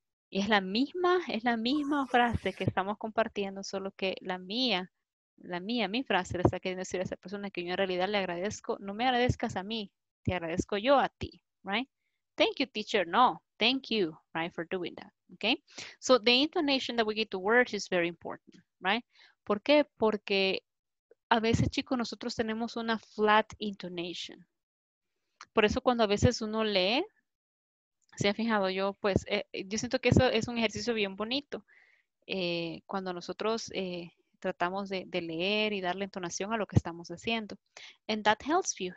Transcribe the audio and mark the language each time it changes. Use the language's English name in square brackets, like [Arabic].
[Spanish] Y es la misma frase que estamos compartiendo, solo que mi frase le está queriendo decir a esa persona que yo en realidad le agradezco, no me agradezcas a mí, te agradezco yo a ti, right? [English] Thank you, teacher, no, thank you, right, for doing that, okay? So the intonation that we get to words is very important, right? [Spanish] ¿Por qué? Porque a veces, chicos, nosotros tenemos una flat intonation. Por eso cuando a veces uno lee, se ha fijado yo, pues, yo siento que eso es un ejercicio bien bonito. Cuando nosotros tratamos de leer y darle entonación a lo que estamos haciendo. [English] And that helps you.